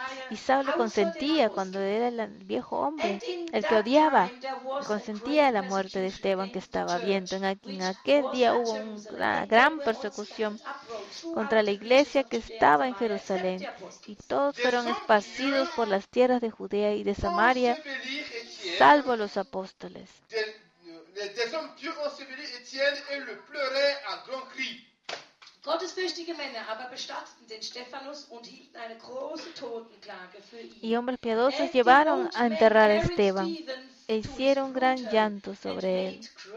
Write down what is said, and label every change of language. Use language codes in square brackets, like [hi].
[es] Y Saulo consentía cuando era el viejo hombre, el que odiaba, consentía la muerte de Esteban que estaba viendo. En aquel día hubo una gran persecución contra la iglesia que estaba en Jerusalén y todos fueron esparcidos por las tierras de Judea y de Samaria, salvo los apóstoles. [fr] Des hommes pieux ont séparé Étienne et le pleurait à grands cris. [de] Gottesfürchtige Männer aber bestatteten den Stephanus und hielten eine große Totenklage für ihn. [es] Y hombres piadosos llevaron a enterrar a Esteban e hicieron gran llanto sobre él.